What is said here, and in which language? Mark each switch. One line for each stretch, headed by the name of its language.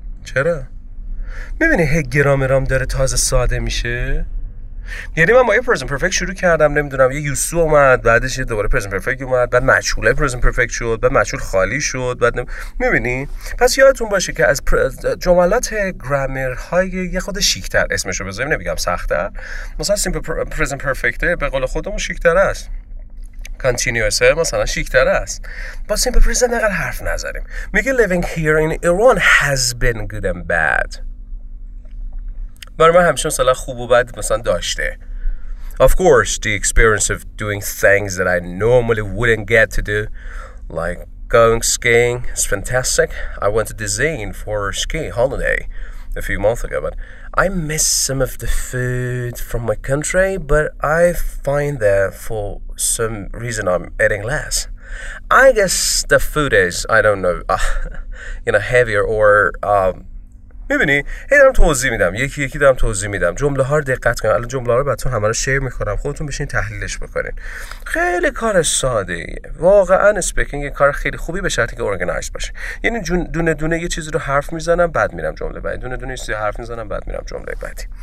Persian: چرا؟ میبینی هی گرامرام داره تازه ساده میشه؟ یعنی من با یه پرزن پرفکت شروع کردم، نمیدونم یه یوسو اومد، بعدش یه دوباره پرزن پرفکت اومد، بعد مشغوله پرزن پرفکت شد، بعد مشغول خالی شد، بعد میبینی؟ پس یادتون باشه که از جملات گرامرهای یه خود شیکتر اسمشو بذاریم، نمیگم سخته، مثلا سیمپل پرزن پرفکته به قول خودمون شیکتر است، continuous مثلا شیکتر است. با سیمپل پرزن اگر حرف نزنیم، میگه
English: living here in Iran has been good and bad.
Persian: برای من همیشه مثلا خوب و بد مثلا داشته.
English: Of course, the experience of doing things that I normally wouldn't get to do, like going skiing, is fantastic. I went to Dizin for a ski holiday a few months ago, but I miss some of the food from my country, but I find that for some reason I'm eating less. I guess the food is, I don't know, heavier or...
Persian: میبینی؟ هی دارم توضیح میدم، یکی یکی دارم توضیح میدم. جمله ها رو دقت کن. الان جمله ها رو براتون همه رو شیر میکنم، خودتون بشین تحلیلش بکنین. خیلی کار ساده ایه. واقعا اسپیکینگ کار خیلی خوبی به شرطی که اورگانایز باشه. یعنی دونه دونه یه چیزی رو حرف میزنم بعد میرم جمله بعدی، دونه دونه یه حرف میزنم بعد میرم جمله بعدی.